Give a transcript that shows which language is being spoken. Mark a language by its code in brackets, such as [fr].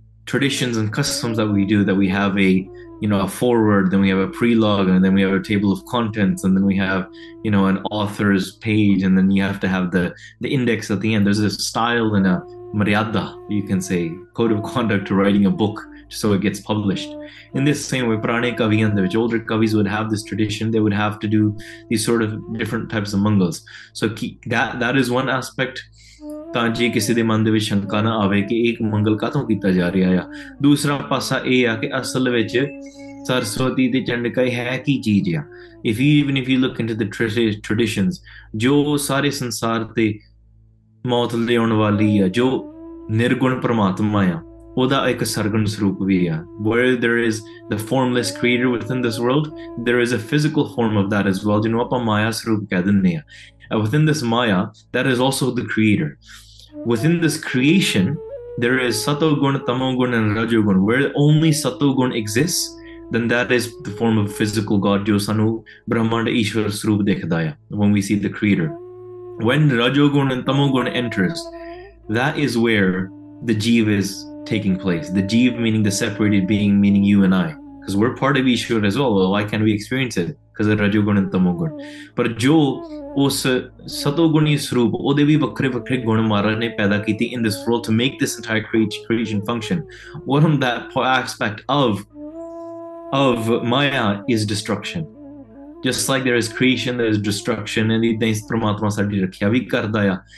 [en] Traditions and customs that we do that we have a you know a foreword then we have a prologue and then we have a table of contents and then we have you know an author's page and then you have to have the index at the end there is a style and a maryada you can say code of conduct to writing a book so it gets published. In this same way, Prane Kaviyan, the older kavis would have this tradition, they would have to do these sort of different types of mangals. So that is one aspect. [pa] ਤਾਂ ਜੇ ਕਿਸੇ ਦੇ ਮਨ ਦੇ ਵਿੱਚ ਸ਼ੰਕਾ ਨਾ ਆਵੇ ਕਿ ਇਹ ਮੰਗਲ ਕਾਹਤੋਂ ਕੀਤਾ ਜਾ ਰਿਹਾ ਆ। ਦੂਸਰਾ ਪਾਸਾ ਇਹ ਆ ਕਿ ਅਸਲ ਵਿੱਚ ਸਰਸਵਤੀ ਤੇ ਚੰਡਿਕਾ ਹੈ ਕੀ ਚੀਜ਼ ਆ। [en] if you even if you look into the traditions, [pa] ਜੋ ਸਾਰੇ ਸੰਸਾਰ ਤੇ ਮੌਤ ਲਿਆਉਣ ਵਾਲੀ ਆ, ਜੋ ਨਿਰਗੁਣ ਪਰਮਾਤਮਾ ਆ, ਉਹਦਾ ਇੱਕ ਸਰਗੁਣ ਸਰੂਪ ਵੀ ਆ। [en] world there is the formless creator within this world, there is a physical form of that is well, [pa] ਜਿਹਨੂੰ ਆਪਾਂ ਮਾਇਆ ਸਰੂਪ ਕਹਿ ਦਿੰਦੇ ਹਾਂ। [en] Within this Maya, that is also the creator. Within this creation, there is Satogun, Tamogun, and Rajogun. Where only Satogun exists, then that is the form of physical God, Josanu, Brahmanda Ishwar Srub Dekhadaya, when we see the creator. When Rajogun and Tamogun enters, that is where the Jeev is taking place. The Jeev meaning the separated being, meaning you and I. Because we're part of Ishwar as well. Why can't we experience it? Because of Rajogun and Tamogun. [pa] But Joe, ਉਸ ਸਤੋਗੁਣੀ ਸਰੂਪ ਉਹਦੇ ਵੀ ਵੱਖਰੇ ਵੱਖਰੇ ਗੁਣ ਮਹਾਰਾਜ ਨੇ ਪੈਦਾ ਕੀਤੀ [en] In this world to make this entire creation function. What from that aspect of maya is destruction, just like there is creation there is destruction, and [pa] ਇਦਾਂ ਹੀ ਪਰਮਾਤਮਾ ਸਾਡੀ ਰੱਖਿਆ ਵੀ ਕਰਦਾ ਆ।